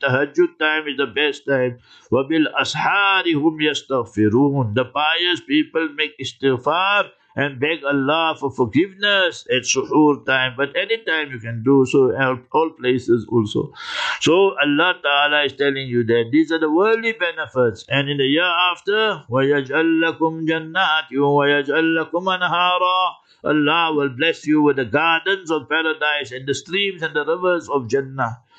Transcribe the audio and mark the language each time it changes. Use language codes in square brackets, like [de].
[en] Tahajjud time is the best time. [ar] Wabil ashari hum yastaghfirun. [en] The pious people make istighfar and beg Allah for forgiveness at suhoor time. But any time you can do so, all places also. So Allah Ta'ala is telling you that these are the worldly benefits. And in the year after, [ar] وَيَجْعَلْ لَكُمْ جَنَّاتٍ وَيَجْعَلْ لَكُمْ أَنْهَارًا. [en] Allah will bless you with the gardens of paradise and the streams and the rivers of Jannah.